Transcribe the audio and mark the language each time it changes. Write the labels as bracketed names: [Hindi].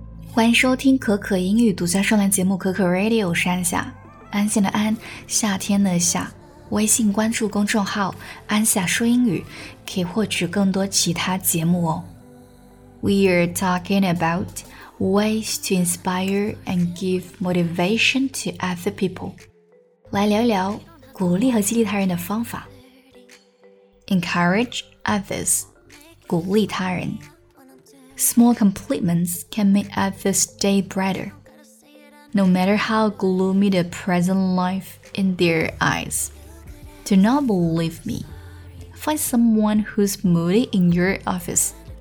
[Chinese] 欢迎收听可可英语独家商量节目可可 Radio， 是安夏，安心的安，夏天的夏。微信关注公众号安夏说英语，可以获取更多其他节目哦。 [English] We are talking about ways to inspire and give motivation to other people. [Chinese] 来聊一聊鼓励和激励他人的方法。 [English] Encourage others. [Chinese] 鼓励他人。 [English] Small compliments can make others day brighter, no matter how gloomy the present life in their eyes. Do not believe me. Find someone who's moody in your office.